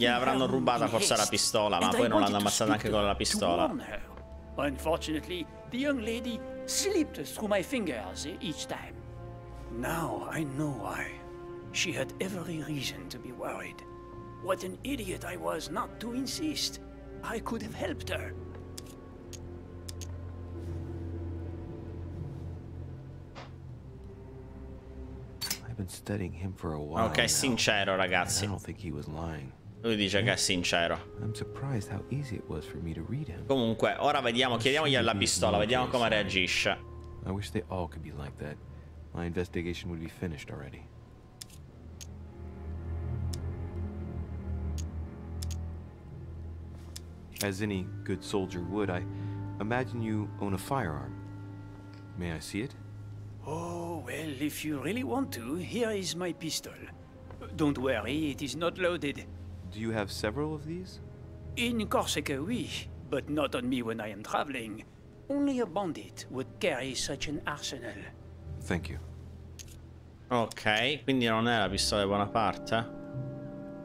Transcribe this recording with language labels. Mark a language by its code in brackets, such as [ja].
[it] Gli avranno rubata forse la pistola, ma poi non l'hanno ammazzata anche con la pistola. [en] Unfortunately, the young lady slipped through my fingers each time. Now I know why. She had every reason to be worried. What an idiot I was not to insist. I could have helped her. I've been studying him for a while. Okay, now. [it] Sincero, ragazzi. [en] And I don't think he was lying. [it] Lui dice che è sincero. [en] I'm surprised how easy it was for me to read him. [it] Comunque, ora vediamo, chiediamogli alla pistola, vediamo come reagisce. [en] I wish they all could be like that. My investigation would be finished already. As any good soldier would, I imagine you own a firearm. May I see it? Oh, well, if you really want to, here is my pistol. Don't worry, it is not loaded. Do you have several of these? In Corsica, oui, but not on me when I am traveling. Only a bandit would carry such an arsenal. Thank you. [it] Okay, quindi non è la pistola di Bonaparte.